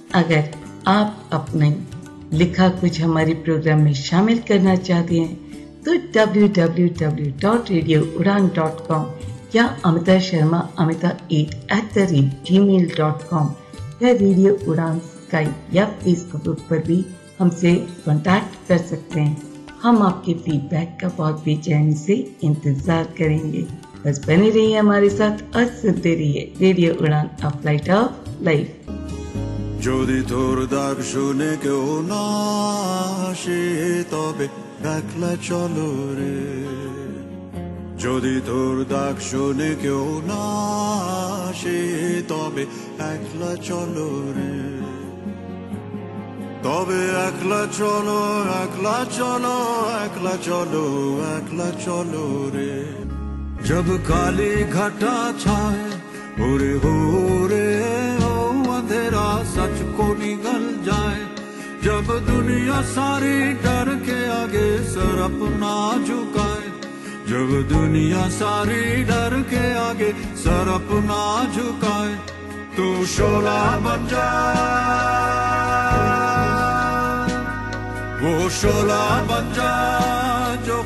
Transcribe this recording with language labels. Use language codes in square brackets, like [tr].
[hi] अगर आप अपने लिखा कुछ हमारे प्रोग्राम में शामिल करना चाहते हैं तो www.radioudaan.com या amitashermaamita8@gmail.com या रेडियो उड़ान स्काइप या फेसबुक पर भी हमसे कॉन्टैक्ट कर सकते हैं। हम आपके फीडबैक का बहुत बेचैन से इंतजार करेंगे। बस बने रहिए हमारे साथ और सुनते रहिए रेडियो उड़ान, [en] A flight of life. [bn] যদি তোর ডাক শুনে কেউ না আসে তবে একলা চলো রে, যদি তোর ডাক শুনে কেউ না আসে তবে একলা চলো রে, তবে একলা চলো, একলা চলো, একলা চলো, একলা চলো রে। [hi] জব কালি ঘটা ছায় ওরে হো রে, अंधेरा सच को निगल जाए, जब दुनिया सारी डर के आगे सर अपना झुकाए, जब दुनिया सारी डर के आगे सर अपना झुकाए, तू शोला बन जाए, वो शोला बन जाए जो